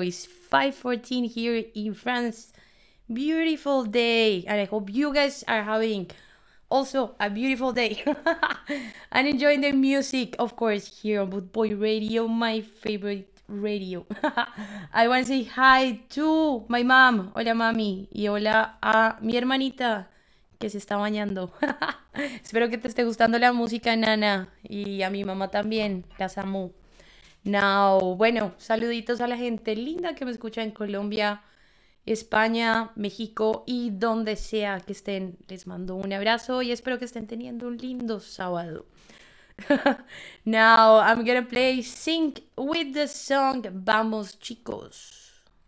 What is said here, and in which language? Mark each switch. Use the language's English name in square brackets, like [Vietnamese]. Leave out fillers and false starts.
[English] It's 5:14 here in France. Beautiful day, and I hope you guys are having also a beautiful day and enjoying the music, of course, here on Boot Boy Radio, my favorite radio. I want to say hi to my mom. [Spanish] Hola mami, y hola a mi hermanita que se está bañando. Espero que te esté gustando la música, nana. Y a mi mamá también. Las amo. Now, bueno, saluditos a la gente linda que me escucha en Colombia, España, México y donde sea que estén. Les mando un abrazo y espero que estén teniendo un lindo sábado. [English] Now, I'm gonna play Sync with the song Vamos, chicos.